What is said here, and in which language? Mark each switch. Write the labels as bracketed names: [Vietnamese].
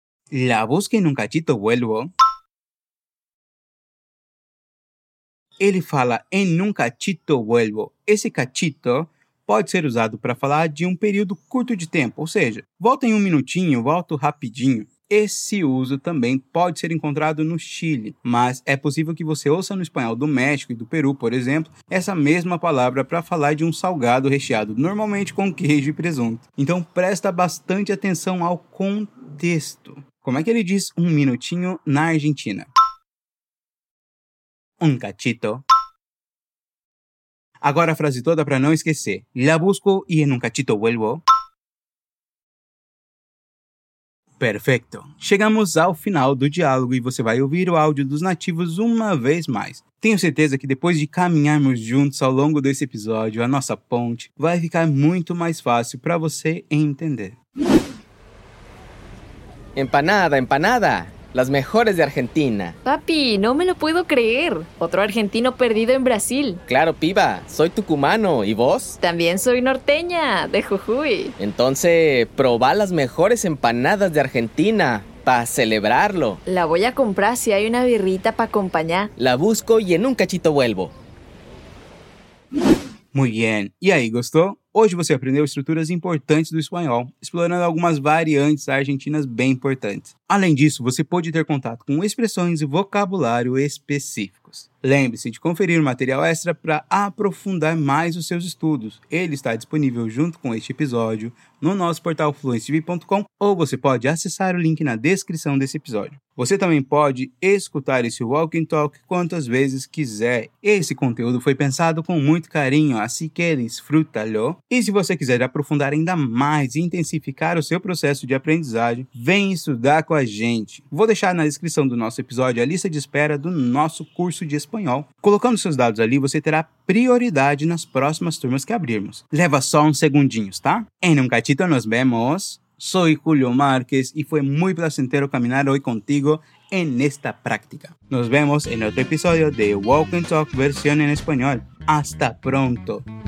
[Spanish] La busco en un cachito vuelvo. [Portuguese] Ele fala [Spanish] en un cachito vuelvo. [Portuguese] Esse cachito pode ser usado para falar de um período curto de tempo, ou seja, volta em um minutinho, volto rapidinho. Esse uso também pode ser encontrado no Chile, mas é possível que você ouça no espanhol do México e do Peru, por exemplo, essa mesma palavra para falar de um salgado recheado, normalmente com queijo e presunto. Então, presta bastante atenção ao contexto. Como é que ele diz um minutinho na Argentina? [Spanish] Un cachito. [Portuguese] Agora a frase toda para não esquecer. [Spanish] La busco y en un cachito vuelvo. Perfecto. [Portuguese] Chegamos ao final do diálogo e você vai ouvir o áudio dos nativos uma vez mais. Tenho certeza que depois de caminharmos juntos ao longo desse episódio, a nossa ponte vai ficar muito mais fácil para você entender. [Spanish] Empanada, empanada! Las mejores de Argentina. Papi, no me lo puedo creer. Otro argentino perdido en Brasil. Claro, piba. Soy tucumano. ¿Y vos? También soy norteña, de Jujuy. Entonces, probá las mejores empanadas de Argentina para celebrarlo. La voy a comprar si hay una birrita para acompañar. La busco y en un cachito vuelvo. Muy bien. ¿Y ahí, gustó? [Portuguese] Hoje você aprendeu estruturas importantes do espanhol, explorando algumas variantes argentinas bem importantes. Além disso, você pode ter contato com expressões e vocabulário específicos. Lembre-se de conferir o material extra para aprofundar mais os seus estudos. Ele está disponível junto com este episódio no nosso portal fluencyb.com ou você pode acessar o link na descrição desse episódio. Você também pode escutar esse Walk and Talk quantas vezes quiser. Esse conteúdo foi pensado com muito carinho, [Spanish] así que disfrútalo. [Portuguese] E se você quiser aprofundar ainda mais e intensificar o seu processo de aprendizagem, vem estudar com a gente. Vou deixar na descrição do nosso episódio a lista de espera do nosso curso de espanhol. Colocando seus dados ali, você terá prioridade nas próximas turmas que abrirmos. Leva só uns segundinhos, tá? [Spanish] En un cachito nos vemos. Soy Julio Márquez y fue muy placentero caminar hoy contigo en esta práctica. Nos vemos en otro episodio de Walk and Talk versión en español. ¡Hasta pronto!